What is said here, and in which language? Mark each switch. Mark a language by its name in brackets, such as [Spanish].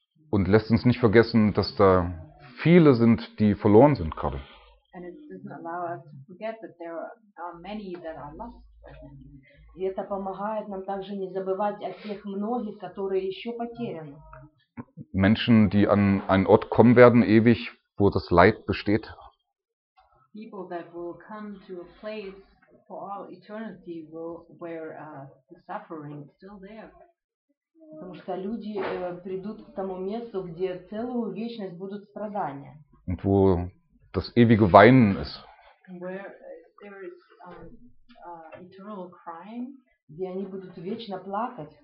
[German] Und lässt uns nicht vergessen, dass da viele sind, die verloren sind gerade. [English] And it doesn't allow us to forget that there are many that are lost. [Russian] И это помогает нам также не забывать о тех многих, которые еще потеряны. [German] Menschen, die an einen Ort kommen werden, ewig, wo das Leid besteht. [English] People that will come to a place for all eternity where the suffering is still there. [Russian] Потому что люди придут к тому месту, где целую вечность будут страдания. [German] Und wo das ewige Weinen ist. [English] Where there is eternal crying, [Russian] где они будут вечно плакать.